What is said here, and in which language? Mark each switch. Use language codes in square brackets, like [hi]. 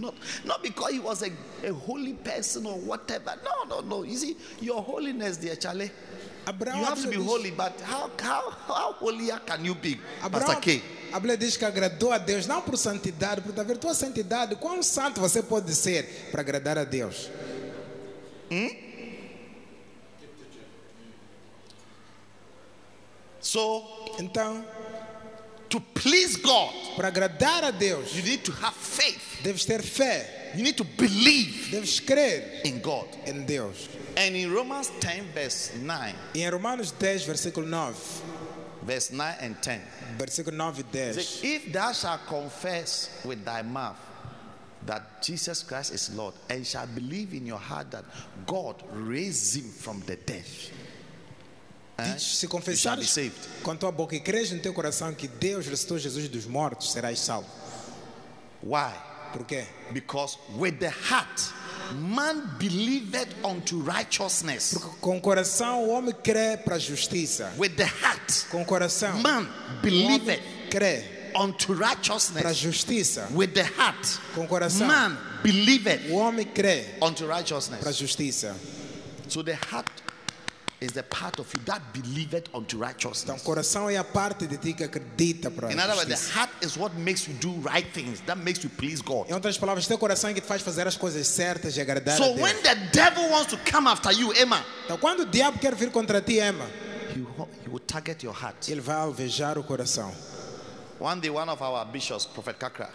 [en] Not because he was a holy person or whatever. No. You see, your holiness there, Charlie. [pt] Abraão, [en] you have to be holy, but how holy can you be, [pt] Abraão, [en] Pastor K? [pt] A Bíblia diz que agradou a Deus não por santidade, por haver tua santidade. Quão santo você pode ser para agradar a Deus? [en] So, [pt] então, [en] to please God, [pt] para agradar a Deus, [en] you need to have faith. [pt] Deves ter fé. [en] You need to believe. [pt] Deves crer [en] in God. [pt] Em Deus. [en] And in Romans 10, verse 9. [pt] Em Romanos 10, versículo 9. [en] Verse 9 and 10. [pt] Versículo 9 e 10. [en] If thou shalt confess with thy mouth that Jesus Christ is Lord, and shalt believe in your heart that God raised him from the dead, [pt] se confessares [en] you shall be saved. [pt] Com tua boca e creres no teu coração que Deus ressuscitou Jesus dos mortos, serás salvo. [en] Why? [pt] Por quê? [en] Because with the heart man believeth unto righteousness. [pt] Porque com o coração o homem crê para a justiça. [en] With the heart, [pt] com o coração, [en] man believeth [pt] crê [en] unto righteousness. [pt] Para a justiça. [en] With the heart, [pt] com o coração, [en] man believeth [pt] o homem crê [en] unto righteousness. [pt] Para a justiça. [en] So the heart is the part of you that believeth unto righteousness. [pt] Então, o coração é a parte de ti que acredita para a justiça. [en] In other words, the heart is what makes you do right things. That makes you please God. [pt] Em outras palavras, teu coração é que te faz fazer as coisas certas e agradar a Deus. [en] So when the devil wants to come after you, Emma. [pt] Então, quando o diabo quer vir contra ti, Emma. [en] He will target your heart. [pt] Ele vai alvejar o coração. [en] One day, one of our bishops, Prophet Kakra.